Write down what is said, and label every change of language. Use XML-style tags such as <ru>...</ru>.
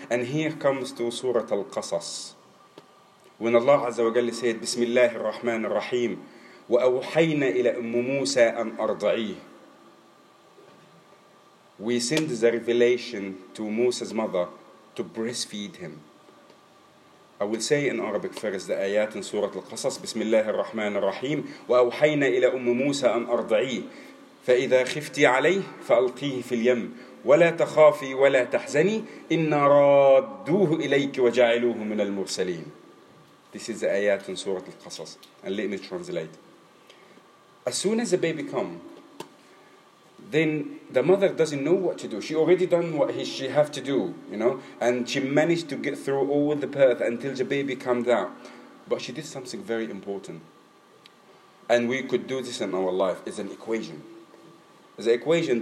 <en>And here comes to Surah Al-Qasas. When Allah Azza wa Jalla said, Bismillah ar-Rahman ar-Rahim,</en> <ar>وَأَوْحَيْنَا إِلَىٰ أُمُّ مُوسَىٰ أَنْ أَرْضَعِيهِ.</ar> <en>We send the revelation to Musa's mother to breastfeed him. I will say in Arabic first the ayat in Surah Al-Qasas,</en> <ar>Bismillah ar-Rahman ar-Rahim, وَأَوْحَيْنَا إِلَىٰ أُمُّ مُوسَىٰ أَنْ أَرْضَعِيهِ فَإِذَا خِفْتِي عَلَيْهِ فَأَلْقِيهِ فِي الْيَمِّ وَلَا تَخَافِي وَلَا تَحْزَنِي إِنَّا رَادُّوهُ إِلَيْكِ وَجَعِلُوهُ مِنَ الْمُرْسَلِينَ.</ar> <en>This is the ayat in Surah Al-Qasas. And let me translate. As soon as the baby comes, then the mother doesn't know what to do. She already done what she have to do, you know. And she managed to get through all the birth until the baby comes out. But she did something very important. And we could do this in our life. It's an equation. It's an equation.</en>